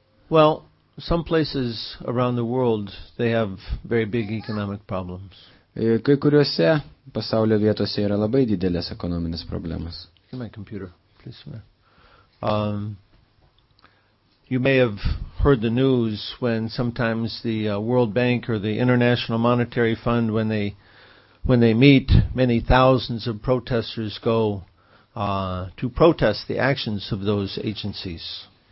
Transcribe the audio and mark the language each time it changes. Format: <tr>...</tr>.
<en>Well, some places around the world, they have very big economic problems.</en> <lt>Kai kuriuose pasaulio vietose yra labai didelės ekonominės problemos.</lt> <en>Give me my computer, please. You may have heard the news when sometimes the World Bank or the International Monetary Fund, when they meet, many thousands of protesters go to protest the actions of those agencies.</en>